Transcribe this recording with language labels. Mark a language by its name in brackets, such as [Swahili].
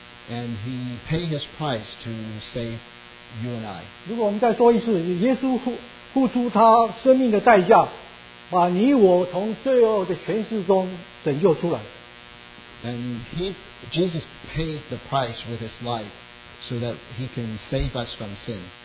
[English] And he paid his price to save you and I. [Chinese] 如果我们再说一次，耶稣付出他生命的代价，把你我从罪恶的权势中拯救出来。 [English] And Jesus paid the price with his life so that he can save us from sin.